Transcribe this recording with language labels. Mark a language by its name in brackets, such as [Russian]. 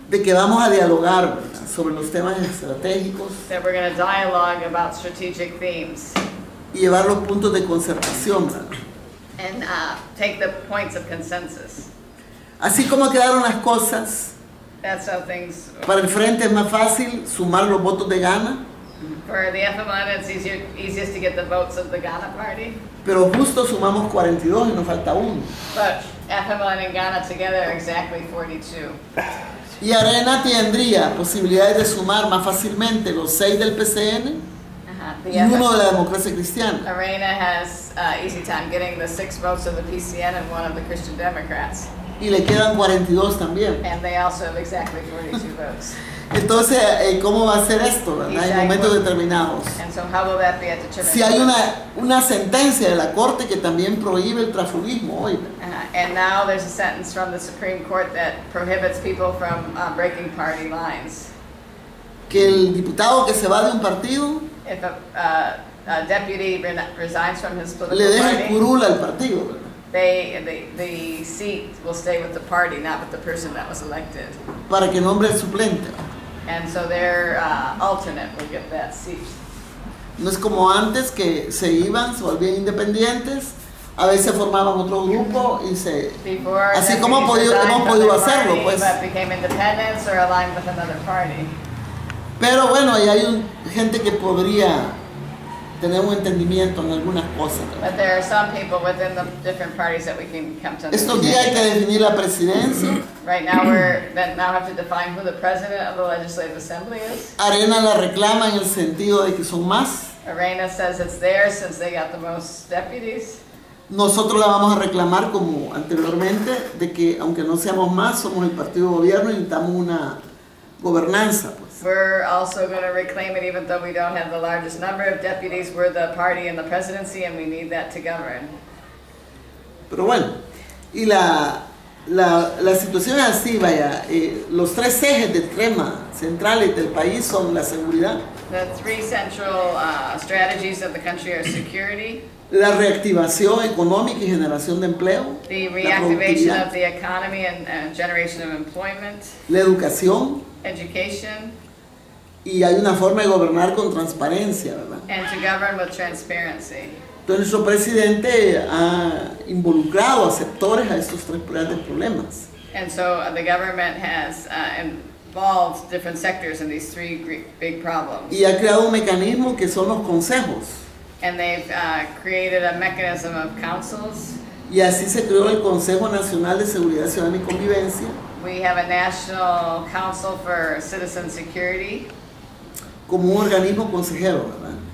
[Spanish] De que vamos a dialogar sobre los temas estratégicos. [English] That we're going to dialogue about strategic themes. [Spanish] Y llevar los puntos de concertación. [English] And take the points of consensus. [Spanish] Así como quedaron las cosas, [English] that's how things... [Spanish] para el frente es más fácil sumar los votos de Ghana. [English] For the FMLN, it's easiest to get the votes of the Ghana party. [Spanish] Pero justo sumamos 42 y nos falta uno. [English] But FMLN and Ghana together are exactly 42. [Spanish] Y Arena tendría posibilidades de sumar más fácilmente los 6 del PCN y uno de la Democracia Cristiana. [English] Arena has easy time getting the 6 votes of the PCN and one of the Christian Democrats. [Spanish] Y le quedan 42 también. [English] And they also have exactly 42 votes. [Spanish] Entonces, ¿cómo va a ser esto, verdad? [English] Exactly. [Spanish] En momentos determinados. [English] And so how will that be at determined? [Spanish] Si hay una sentencia de la Corte que también prohíbe el transfugismo hoy. [English] And now there's a sentence from the Supreme Court that prohibits people from breaking party lines. [Spanish] Que el diputado que se va de un partido, [English] if a deputy resigns from his political party, [Spanish] le deja curul al partido. [English] The seat will stay with the party, not with the person that was elected. [Spanish] Para que nombre el suplente. [English] And so their alternate will get that seat. [Spanish] No es como antes que se iban, se volvían independientes, a veces formaban otro grupo y se... [English] Before, [Spanish] así como hemos podido hacerlo, pues. [English] But became independents or aligned with another party. [Spanish] Pero bueno, ahí hay gente que podría... tenemos entendimiento en algunas cosas. [English] But there are some people within the different parties that we can come to. [Spanish] Estos días hay que definir la presidencia. [English] Right now we now have to define who the president of the legislative assembly is. [Spanish] Arena la reclama en el sentido de que son más. [English] Arena says it's there since they got the most deputies. [Spanish] Nosotros la vamos a reclamar como anteriormente de que aunque no seamos más somos el partido de gobierno y necesitamos una gobernanza. [English] We're also going to reclaim it even though we don't have the largest number of deputies. We're the party in the presidency and we need that to govern. [Spanish] Pero bueno, y la situación es así, vaya, los tres ejes de tema centrales del país son la seguridad. [English] The three central strategies of the country are security. [Spanish] La reactivación económica y generación de empleo. [English] The reactivation of the economy and generation of employment. [Spanish] La educación. [English] Education. [Spanish] Y hay una forma de gobernar con transparencia, ¿verdad? [English] And to govern with transparency. [Spanish] Entonces nuestro presidente ha involucrado a sectores a estos tres grandes problemas. [English] And so the government has involved different sectors in these three big problems. [Spanish] Y ha creado un mecanismo que son los consejos. [English] And they've created a mechanism of councils. [Spanish] Y así se creó el Consejo Nacional de Seguridad Ciudadana y Convivencia. [English] We have a National Council for Citizen Security. [Spanish] Como un organismo consejero, ¿verdad?